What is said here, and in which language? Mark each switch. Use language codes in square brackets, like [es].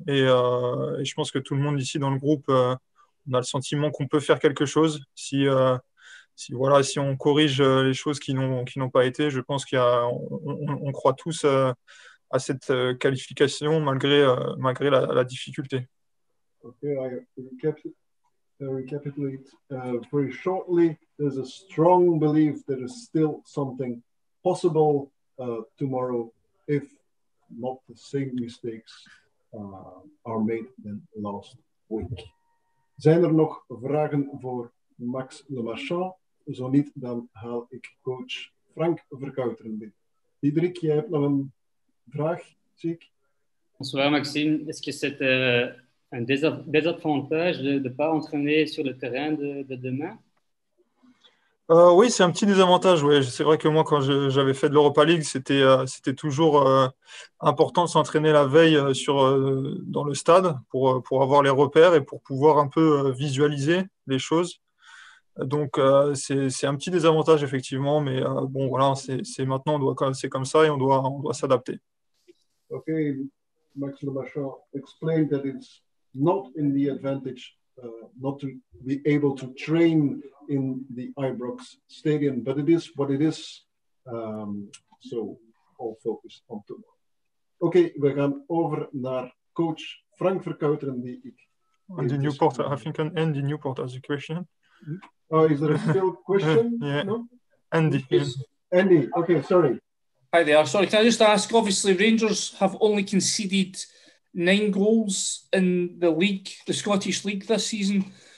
[fr] Et je pense que tout le monde ici dans le groupe, on a le sentiment qu'on peut faire quelque chose. Si on corrige les choses qui n'ont pas été, je pense qu'on croit tous à cette qualification malgré la difficulté. [en] Okay, I recapitulate very shortly. There's a strong belief that there's still something possible tomorrow. If not the same mistakes are made than last week. [nl] Zijn er nog vragen voor Max LeMarchand? Zo niet, dan haal ik coach Frank Verkouteren binnen. Diederik, jij hebt nog een vraag, zie ik. [fr] Bonsoir Maxime, est-ce que c'est un désavantage de ne pas entraîner sur le terrain de demain? Oui, c'est un petit désavantage. Oui, c'est vrai que moi, quand j'avais fait de l'Europa League, c'était toujours important de s'entraîner la veille dans le stade pour avoir les repères et pour pouvoir un peu visualiser les choses. Donc c'est un petit désavantage effectivement, mais bon voilà, c'est maintenant c'est comme ça et on doit s'adapter. [en] Ok, Max LeMarchand explained that it's not in the advantage not to be able to train in the Ibrox Stadium, but it is what it is. So all focus on tomorrow. [nl] Okay, we gaan over naar coach Frank Verkouteren. [en] The Newport, I think, an Andy Newport has a question. Oh, is there a still question? Yeah. No? Andy. Andy, okay, sorry. Hi there, sorry. Can I just ask, obviously, Rangers have only conceded 9 goals in the league, the Scottish League this season.